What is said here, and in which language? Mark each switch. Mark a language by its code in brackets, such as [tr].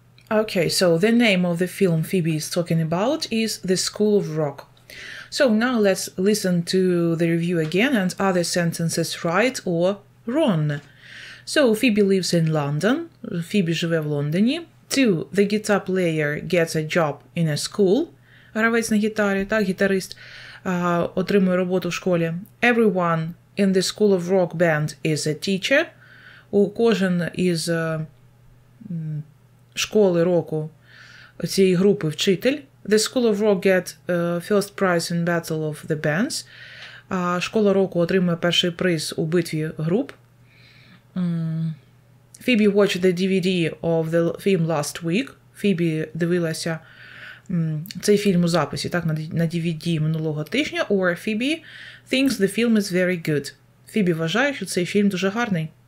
[en] Okay, so the name of the film Phoebe is talking about is The School of Rock. So now let's listen to the review again and are the sentences right or wrong? So Phoebe lives in London. Phoebe [uk] живе в Лондоні. [en] Two, the guitar player gets a job in a school. [uk] Гравець на гітарі, так, гітарист отримує роботу в школі. [en] Everyone in the school of rock band is a teacher. [uk] У кожен із школи року цієї групи вчитель. [en] The school of rock get first prize in battle of the bands. [uk] А школа року отримує перший приз у битві груп. [en] Phoebe watched the DVD of the film last week. [uk] Фібі дивилася цей фільм у записі, так, на DVD минулого тижня. [en] Or Phoebe thinks the film is very good. [uk] Фібі вважає, що цей фільм дуже гарний.